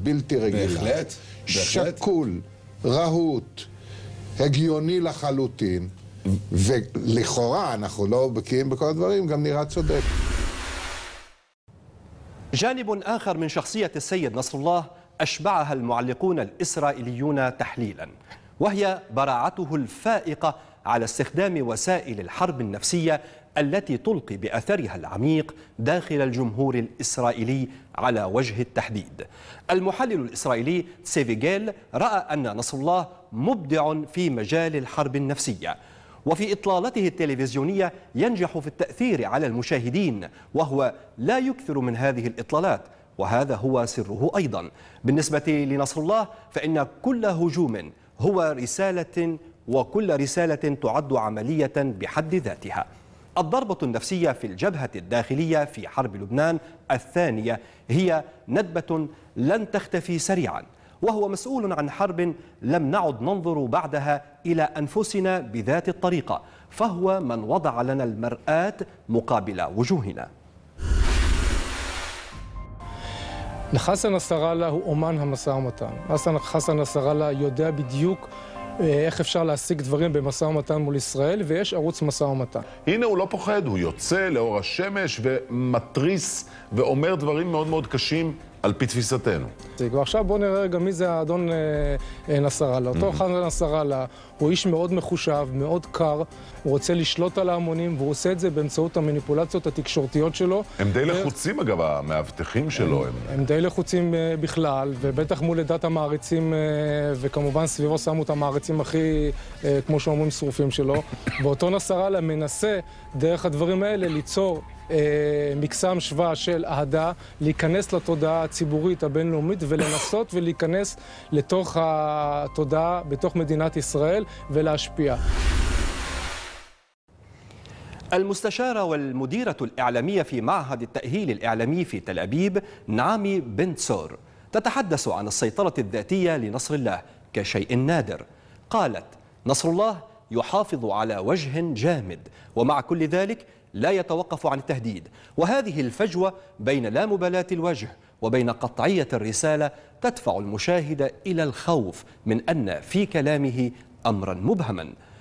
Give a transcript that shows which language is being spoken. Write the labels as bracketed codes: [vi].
[he] בלתי רגילה. בהחלט. שקול, רהוט, הגיוני לחלוטין, ולכאורה אנחנו לא בקיאים בכל הדברים, גם נראה צודק. [ar] ג'אניב אחר מן שחסיית סייד נסראללה أشبعها المعلقون الإسرائيليون تحليلا، وهي براعته الفائقة على استخدام وسائل الحرب النفسية التي تلقي بأثرها العميق داخل الجمهور الإسرائيلي على وجه التحديد. المحلل الإسرائيلي سيفيجيل رأى أن نصر الله مبدع في مجال الحرب النفسية، وفي إطلالته التلفزيونية ينجح في التأثير على المشاهدين، وهو لا يكثر من هذه الإطلالات، وهذا هو سره أيضا. بالنسبة لنصر الله فإن كل هجوم هو رسالة، وكل رسالة تعد عملية بحد ذاتها. الضربة النفسية في الجبهة الداخلية في حرب لبنان الثانية هي ندبة لن تختفي سريعا، وهو مسؤول عن حرب لم نعد ننظر بعدها إلى أنفسنا بذات الطريقة، فهو من وضع لنا المرآة مقابل وجوهنا. [he] חסן נסראללה הוא אומן המסע ומתן. חסן נסראללה יודע בדיוק איך אפשר להשיג דברים במסע ומתן מול ישראל, ויש ערוץ מסע ומתן. הנה הוא לא פוחד, הוא יוצא לאור השמש ומטריס ואומר דברים מאוד מאוד קשים על פי תפיסתנו. ועכשיו בוא נראה גם מי זה האדון נסראללה. אותו חסן נסראללה הוא איש מאוד מחושב, מאוד קר, הוא רוצה לשלוט על ההמונים, והוא עושה את זה באמצעות המניפולציות התקשורתיות שלו. הם די לחוצים אגב, המאבטחים שלו. הם די לחוצים בכלל, ובטח מול עדת המעריצים, וכמובן סביבו שמו את המעריצים הכי, כמו שאומרים, שרופים שלו. ואותו נסראללה מנסה דרך הדברים האלה ליצור מקסם שווה של אהדה, להיכנס לתודעה הציבורית הבינלאומית ולנסות ולהיכנס לתוך התודעה בתוך מדינת ישראל ולהשפיע. [ar] المستشارة والمديرة الإعلامية في معهد التأهيل الإعلامي في تل أبيب نعامي بنتسور تتحدث عن السيطرة الذاتية لنصر الله كشيء نادر. قالت: نصر الله يحافظ على وجه جامد، ومع كل ذلك لا يتوقف عن التهديد، وهذه الفجوة بين لا مبالاة الوجه وبين قطعية الرسالة تدفع المشاهد إلى الخوف من أن في كلامه أمرا مبهما.